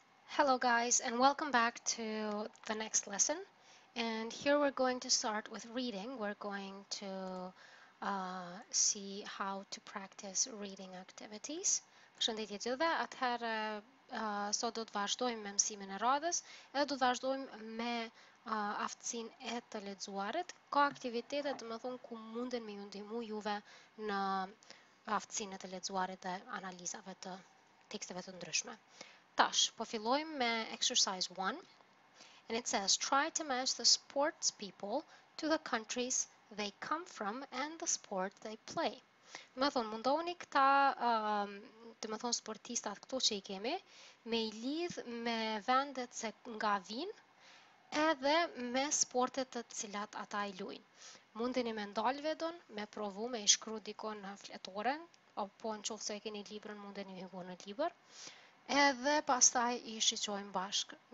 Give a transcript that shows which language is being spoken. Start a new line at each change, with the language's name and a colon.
English: Hello guys, and welcome back to the next lesson. And here we're going to start with reading. We're going to see how to practice reading activities.
Albanian: Përshëndetje gjithëve, atëherë sot do të vazhdojmë me mësimin e radhës, edhe do të vazhdojmë me aftësinë e të lexuarit. Ka aktivitete, domethënë ku munden me ju ndihmu juve në aftësinë e të lexuarit dhe analizave të teksteve të ndryshme. Tash, po fillojmë me
English: exercise 1, and it says, try to match the sports people to the countries they come from and the sport they play.
Albanian: Dhe më thonë, mundohoni këta, dhe më thonë, sportistat këto që i kemi, me i lidh me vendet se nga vinë, edhe me sportet të cilat ata i luinë. Mundini me ndalë vedon, me provu, me i shkru dikon në fletoren, apo në qoftë se e keni librën, mundini me hyrë në librë, edhe pastaj i shiqojmë bashkë.